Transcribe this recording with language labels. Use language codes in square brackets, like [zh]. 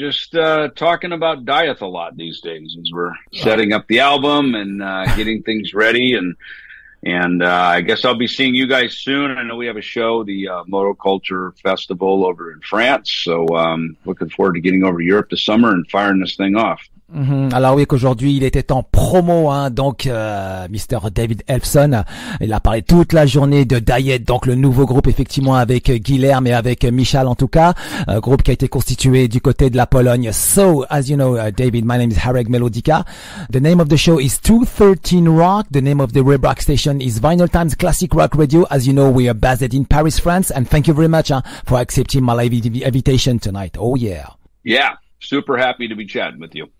[en] Just talking about Dieth a lot these days as we're setting up the album and getting things ready. And I guess I'll be seeing you guys soon. I know we have a show, the Moto Culture Festival over in France. So looking forward to getting over to Europe this summer and firing this thing off. [fr] Alors oui, qu'aujourd'hui il était en promo, hein, donc Mr. David Ellefson, il a parlé toute la journée de Dieth, donc le nouveau groupe effectivement avec Guilherme et avec Michał en tout cas, groupe qui a été constitué du côté de la Pologne. [en] So, as you know, David, my name is Harrag Melodica. The name of the show is 213 Rock, the name of the web rock station is Vinyl Times Classic Rock Radio. As you know, we are based in Paris, France, and thank you very much for accepting my live invitation tonight. Oh yeah. Yeah, super happy to be chatting with you.